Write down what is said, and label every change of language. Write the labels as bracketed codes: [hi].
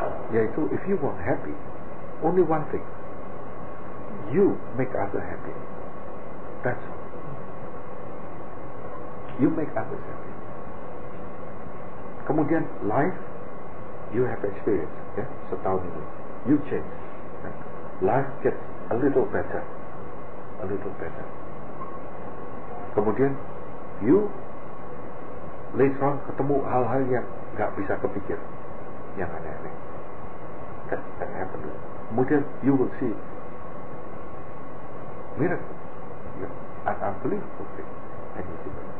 [en] Yaitu, if you want happy, only one thing, you make others happy. That's all. You make others happy. Kemudian life, you have experience, ya, [id] setahun ini, [en] you change. Life gets a little better, a little better. [id] Kemudian [en] you later on [id] ketemu hal-hal yang nggak bisa kepikir, yang aneh-aneh. [en] That happened. Kemudian you will see miracle, an unbelievable thing, and you see.